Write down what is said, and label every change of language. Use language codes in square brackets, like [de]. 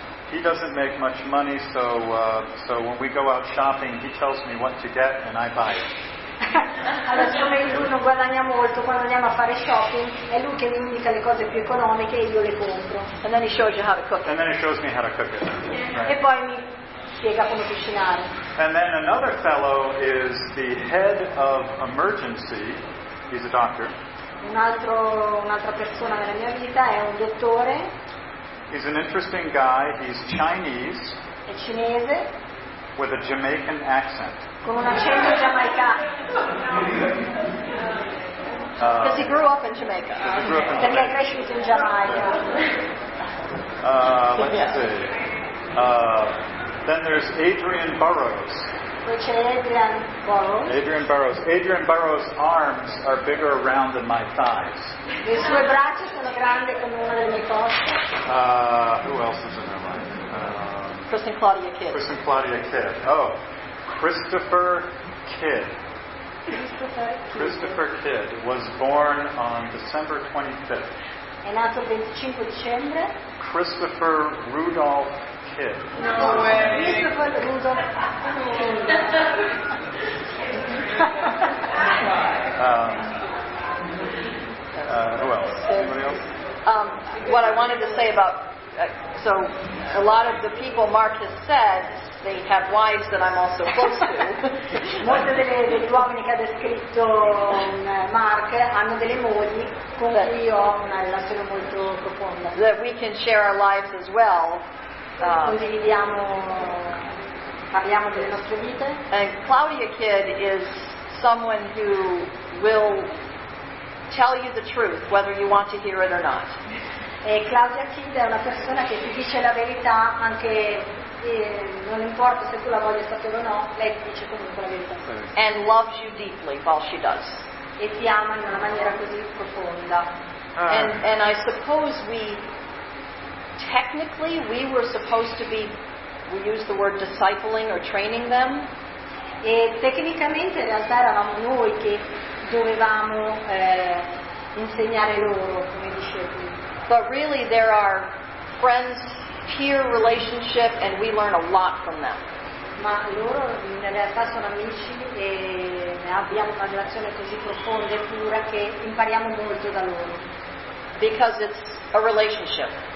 [en] He doesn't make much money, so so when we go out shopping, he tells me what to get and I buy it. [it] Allora, siccome lui non guadagna molto, quando andiamo a fare shopping è lui che mi indica le cose più economiche e io le compro. [en] And then he shows you how to cook it. And then he shows me how to cook it. Right. [it] E poi mi spiega come cucinare. [en] And then another fellow is the head of emergency. He's a doctor. [it] Un'altra persona nella mia vita è un dottore. [en] He's an interesting guy. He's Chinese. [it] È cinese. [en] With a Jamaican accent. [it] Con un accento giamaicano. [en] Because he grew up in Jamaica. [it] Perché è cresciuto in Giamaica. [en] Let's see. Then there's Adrian Burrows. [it] Poi c'è Adrian Burrows. [en] Adrian Burrows. Adrian Burrows' arms are bigger around than my thighs. [it] Le sue braccia sono grandi come una delle mie cose. [en] Who else is in there? Chris and Claudia Kidd. Chris and Claudia Kidd. Oh, Christopher Kidd. Christopher Kidd was born on December 25th. [it] È nato il 25 dicembre. [en] Christopher Rudolph Kidd. No way. Christopher Rudolph Kidd. Who else? Anybody else? What I wanted to say about. So a lot of the people Mark has said, they have wives that I'm also close to. [it] Molte degli uomini che ha descritto Mark hanno delle mogli con cui io ho una relazione molto profonda. [en] That we can share our lives as well. [it] Condividiamo, parliamo delle nostre vite. [en] And Claudia Kidd is someone who will tell you the truth, whether you want to hear it or not. [it] E Claudia Kidd è una persona che ti dice la verità anche non importa se tu la voglia sapere o no, lei ti dice comunque la verità. [en] And loves you deeply while she does. [it] E ti ama in una maniera così profonda. [en] And I suppose we technically we were supposed to be, we use the word discipling or training them. [it] E tecnicamente in realtà eravamo noi che dovevamo insegnare loro, come dicevi. [en] But really there are friends, peer relationship, and we learn a lot from them. [it] Ma loro in realtà sono amici e abbiamo una relazione così profonda e pura che impariamo molto da loro. [en] Because it's a relationship.